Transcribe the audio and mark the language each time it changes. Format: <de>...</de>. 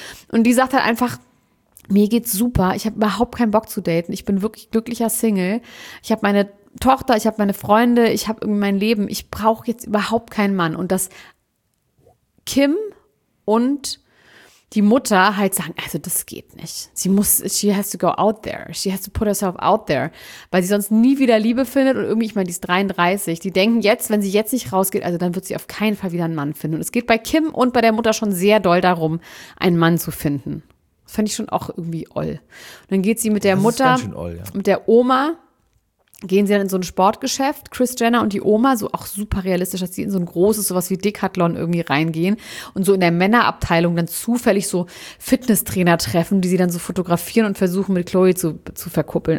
<de>Und die sagt halt einfach, mir geht's super, ich habe überhaupt keinen Bock zu daten, ich bin wirklich glücklicher Single, ich habe meine Tochter, ich habe meine Freunde, ich habe irgendwie mein Leben, ich brauche jetzt überhaupt keinen Mann. Und dass Kim und die Mutter halt sagen, also das geht nicht. Sie muss,</de> <en>she has to go out there. She has to put herself out there.</en> <de>Weil sie sonst nie wieder Liebe findet. Und irgendwie, ich meine, die ist 33. Die denken jetzt, wenn sie jetzt nicht rausgeht, also dann wird sie auf keinen Fall wieder einen Mann finden. Und es geht bei Kim und bei der Mutter schon sehr doll darum, einen Mann zu finden. Das fand ich schon auch irgendwie oll. Und dann geht sie mit der Mutter, mit der Oma, gehen sie dann in so ein Sportgeschäft, Kris Jenner und die Oma, so auch super realistisch, dass sie in so ein großes, sowas wie Decathlon irgendwie reingehen und so in der Männerabteilung dann zufällig so Fitnesstrainer treffen, die sie dann so fotografieren und versuchen, mit Chloe zu verkuppeln.</de>